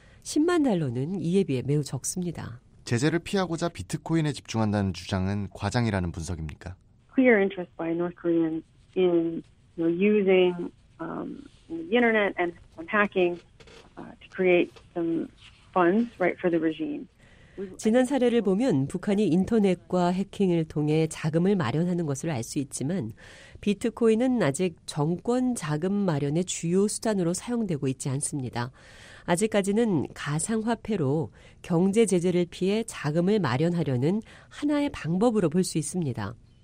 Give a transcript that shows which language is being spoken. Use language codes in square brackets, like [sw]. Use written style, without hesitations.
[ko] 10만 달러는 이에 비해 매우 적습니다. 제재를 피하고자 비트코인에 집중한다는 주장은 과장이라는 분석입니까? [en] Clear interest by North Koreans in using the internet and hacking to create some funds right for the regime. [ko] 지난 사례를 보면 북한이 인터넷과 해킹을 통해 자금을 마련하는 것을 알 수 있지만 비트코인은 아직 정권 자금 마련의 주요 수단으로 사용되고 있지 않습니다. 아직까지는 가상화폐로 경제 제재를 피해 자금을 마련하려는 하나의 방법으로 볼 수 있습니다.